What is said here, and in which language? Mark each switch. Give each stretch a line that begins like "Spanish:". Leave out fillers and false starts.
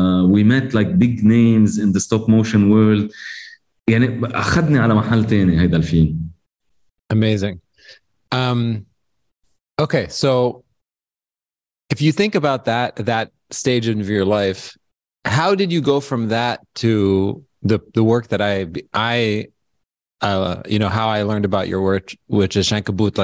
English: We met like big names in the stop motion world.
Arabic: يعني أخذني على محل تاني هيدا الفيلم.
English: Amazing. Okay, so if you think about that stage of your life, how did you go from that to the work that I how I learned about your work, which is Shankaboot?